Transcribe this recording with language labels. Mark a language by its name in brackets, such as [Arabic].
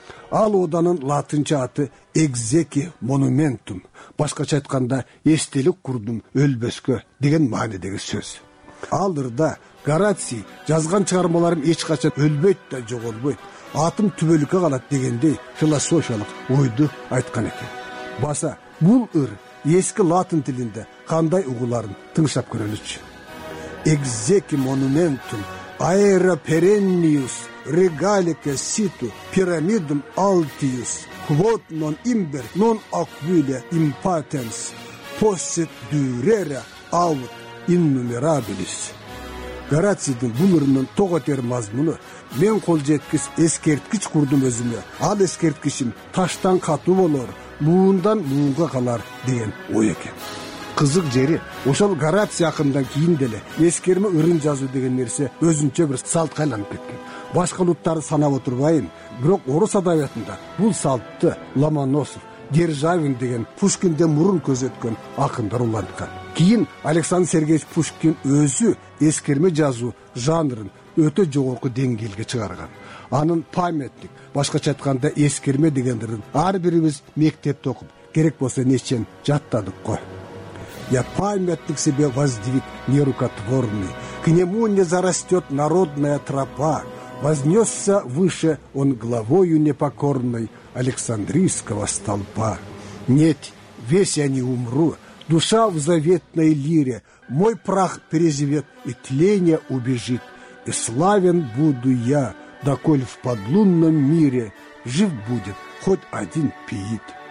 [Kyrgyz] Ал оданын латынча аты [Latin] «Экзеки монументум», [Kyrgyz] башкача айтканда «эстелик курдум өлбөскө» деген маанидеги сөз. Ал ырда Гораций жазган чыгармаларым эч качан өлбөйт да жоголбойт, атым түбөлүккө калат дегендей философиялык ойду айткан экен. Баса бул ыр эски латын тилинде кандай угуларын тыңшап көрөлүчү. [Latin] «Экзеки монументум аэро перениус регалике ситу пирамидум алтиус квот нон имбер нон аквиле импатенс посет дюрере аут иннумерабилис». [Kyrgyz] Гораций бул ырынын того тер мазмуну «Мен кол жеткис эскерткич курдум өзүмө, ал эскерткичим таштан катуу болор, муундан муунга калар» деген ой экен. Кызык жери, ошол Гораций акындан кийин деле эскерме ырын жазуу деген нерсе өзүнчө бир салтка айланып кеткен. Башка улуттарды санап отурбайын, бирок орус адабиятында бул салтты Ломоносов, Державин деген Пушкинден мурун көзөткөн акындар уланткан. Кийин Александр Сергеевич Пушкин өзү эскерме жазуу жанрын өтө жогорку деңгээлге чыгарган. Анын памятник, башкача айтканда эскерме дегендерин ар бирибиз мектепте окуп, керек болсо нечен жаттадык го. [Russian] Я памятник себе воздвиг нерукотворный, к нему не зарастет народная тропа, вознесся выше он главою непокорной Александрийского столпа. Нет, весь я не умру, душа в заветной лире, мой прах перезвет и тление убежит, и славен буду я, доколь в подлунном мире жив будет хоть один пиит.